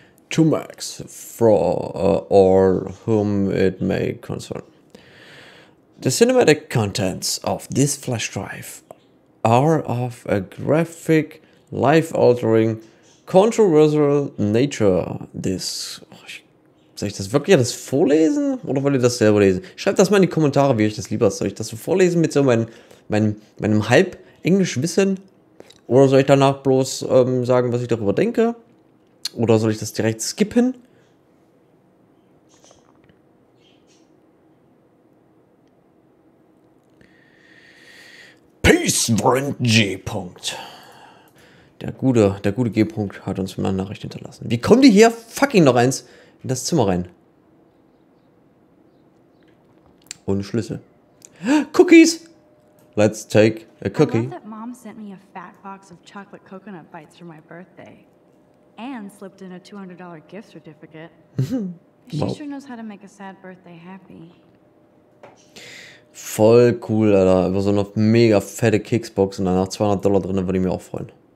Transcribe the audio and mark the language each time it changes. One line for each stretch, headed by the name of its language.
English: To Max, for all whom it may concern. The cinematic contents of this flash drive are of a graphic, life-altering, controversial nature.
German: Soll ich das wirklich alles vorlesen? Oder wollt ihr das selber lesen? Schreibt das mal in die Kommentare, wie euch das lieber ist. Soll ich das so vorlesen mit so meinem Halb-Englisch-Wissen? Oder soll ich danach bloß sagen, was ich darüber denke? Oder soll ich das direkt skippen? Peace, Brent G. Punkt. Der gute G. Punkt hat uns mal eine Nachricht hinterlassen. Wie kommen die hier fucking noch eins in das Zimmer rein? Ohne Schlüssel.
English: Cookies! Let's take a cookie. I love that Mom sent me a fat box of chocolate coconut bites for my birthday. And slipped in a $200 gift certificate. Wow. She sure knows how to make a sad birthday happy.
German: Voll cool, Alter. Über so eine mega fette Keksbox und danach $200 drin, würde ich mich auch freuen.